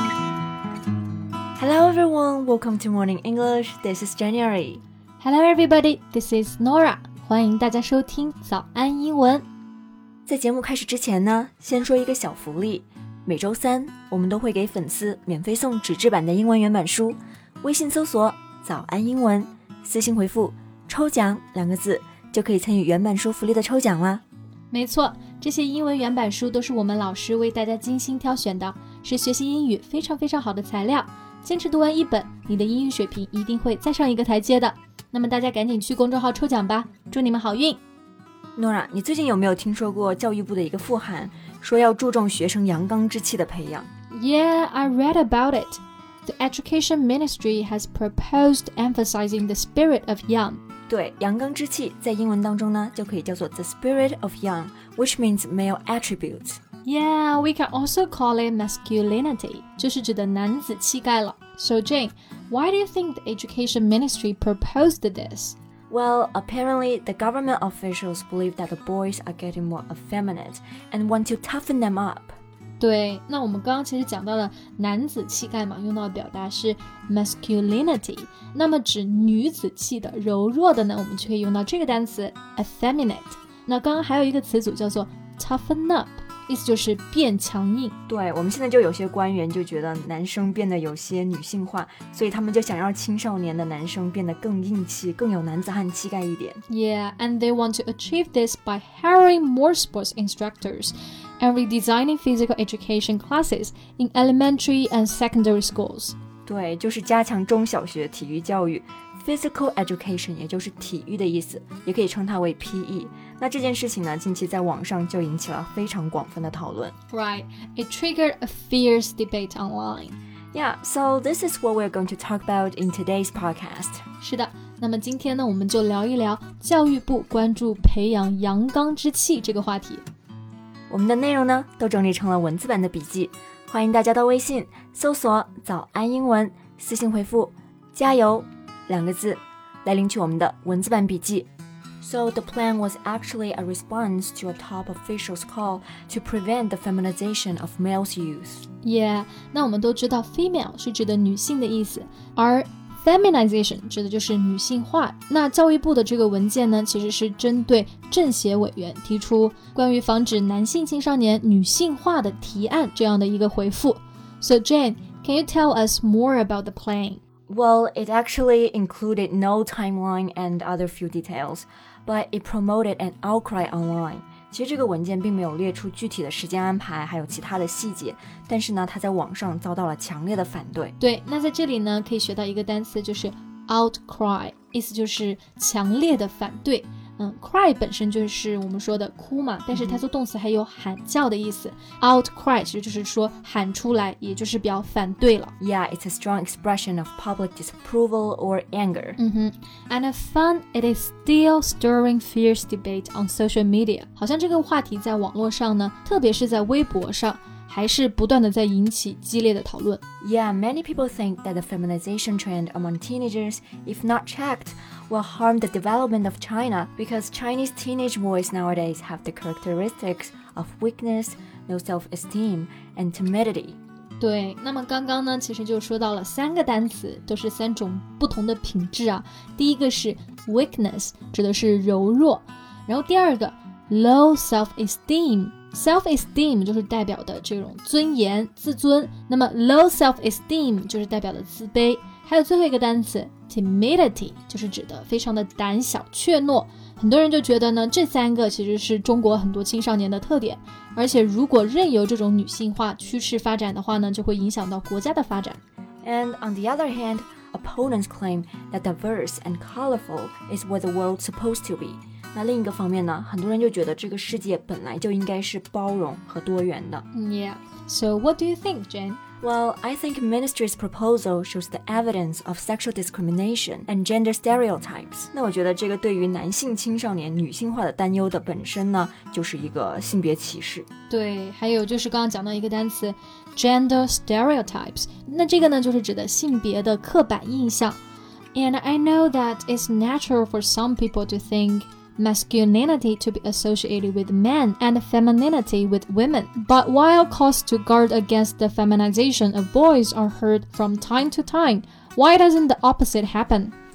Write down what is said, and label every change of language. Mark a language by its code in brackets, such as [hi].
[en] everyone, welcome to Morning English. This is January. Hello everybody, this is Nora. [zh] 欢迎大家收听早安英文。在节目开始之前呢，先说一个小福利。每周三，我们都会给粉丝免费送纸质版的英文原版书。微信搜索早安英文，私信回复抽奖两个字，就可以参与原版书福利的抽奖啦。没错，这些英文原版书都是我们老师为大家精心挑选的，是学习英语非常非常好的材料。坚持读完一本，你的英语水平一定会再上一个台阶的。那么大家赶紧去公众号抽奖吧，祝你们好运。诺拉，你最近有没有听说过教育部的一个复函，说要注重学生阳刚之气的培养？ [en] Yeah, I read about it. The Education Ministry has proposed emphasizing the spirit of young. [zh] 对，阳刚之气在英文当中呢，就可以叫做 [en] the spirit of young, which means male attributes. Yeah, we can also call it masculinity, [zh] 就是指的男子气概了。 [en] So Jane, why do you think the education ministry proposed this? Well, apparently the government officials believe that the boys are getting more effeminate and want to toughen them up. [zh] 对，那我们刚刚其实讲到的男子气概嘛，用到的表达是 masculinity, 那么指女子气的柔弱的呢，我们就可以用到这个单词 effeminate。那刚刚还有一个词组叫做 toughen up,意思就是变强硬。对，我们现在就有些官员就觉得男生变得有些女性化，所以他们就想要青少年的男生变得更硬气，更有男子汉气概一点。 [en] Yeah, and they want to achieve this by hiring more sports instructors and redesigning physical education classes in elementary and secondary schools. [zh] 对，就是加强中小学体育教育。Physical education 也就是体育的意思，也可以称它为 PE。那这件事情呢，近期在网上就引起了非常广泛的讨论。 [en] Right, it triggered a fierce debate online. Yeah, so this is what we're going to talk about in today's podcast. [zh] 是的，那么今天呢，我们就聊一聊教育部关注培养阳刚之气这个话题。我们的内容呢，都整理成了文字版的笔记，欢迎大家到微信搜索早安英文，私信回复加油两个字来领取我们的文字版笔记。 [en] So the plan was actually a response to a top official's call to prevent the feminization of male's youth. [zh] Yeah, 那我们都知道 female 是指的女性的意思，而 feminization 指的就是女性化。那教育部的这个文件呢，其实是针对政协委员提出关于防止男性青少年女性化的提案这样的一个回复。 [en] So Jane, can you tell us more about the plan? Well, it actually included no timeline and other few details, but it promoted an outcry online. [zh] 其实这个文件并没有列出具体的时间安排，还有其他的细节，但是呢，它在网上遭到了强烈的反对。对，那在这里呢，可以学到一个单词，就是 outcry, 意思就是强烈的反对。 cry 本身就是我们说的哭嘛，但是它做动词还有喊叫的意思。 Outcry 其实就是说喊出来，也就是表反对了。 [en] Yeah, it's a strong expression of public disapproval or anger. And as fun, it is still stirring fierce debate on social media. [zh] 好像这个话题在网络上呢，特别是在微博上，还是不断的在引起激烈的讨论。 [en] Yeah, many people think that the feminization trend among teenagers, if not checked,will harm the development of China because Chinese teenage boys nowadays have the characteristics of weakness, no self-esteem, and timidity. [zh] 对，那么刚刚呢，其实就说到了三个单词，都是三种不同的品质啊。第一个是 weakness, 指的是柔弱。然后第二个 low self-esteem, self-esteem 就是代表的这种尊严、自尊。那么 low self-esteem 就是代表的自卑。还有最后一个单词Timidity 就是指的非常的胆小怯懦。很多人就觉得呢，这三个其实是中国很多青少年的特点，而且如果任由这种女性化趋势发展的话呢，就会影响到国家的发展。 [en] And on the other hand, opponents claim that diverse and colorful is what the world's supposed to be. [zh] 那另一个方面呢，很多人就觉得这个世界本来就应该是包容和多元的。 [en] Yeah, so what do you think, Jane? Well, I think ministry's proposal shows the evidence of sexual discrimination and gender stereotypes. [zh] 那我觉得这个对于男性青少年女性化的担忧的本身呢，就是一个性别歧视。对，还有就是刚刚讲到一个单词 gender stereotypes. 那这个呢，就是指的性别的刻板印象。 [en] And I know that it's natural for some people to think masculinity to be associated with men and femininity with women. But while calls to guard against the feminization of boys are heard from time to time, Why doesn't the opposite happen?